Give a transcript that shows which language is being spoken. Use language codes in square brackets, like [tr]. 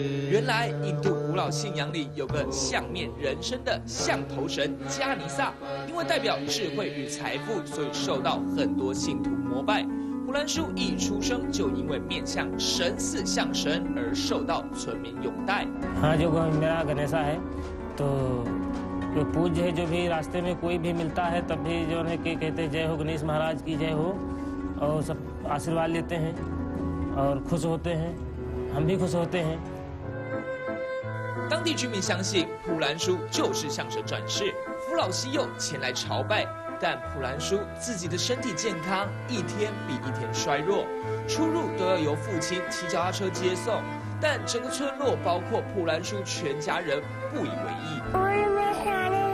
[zh] 原来印度古老信仰里有个像面人身的象头神迦尼萨，因为代表智慧与财富，所以受到很多信徒膜拜。普兰舒一出生就因为面向神似象神而受到村民拥戴。 [hi] हां जो मेरा गणेशा है तो जो पूज्य है जो भी रास्ते में कोई भी मिलता है तब भी जो है के कहते जय हो गणेश महाराज की जय हो और सब आशीर्वाद लेते हैं और खुश होते हैं हम भी खुश होते हैं。 [zh] 当地居民相信普兰舒就是象神转世，扶老西幼前来朝拜，但普兰舒自己的身体健康一天比一天衰弱，出入都要由父亲骑脚踏车接送，但整个村落包括普兰舒全家人不以为意。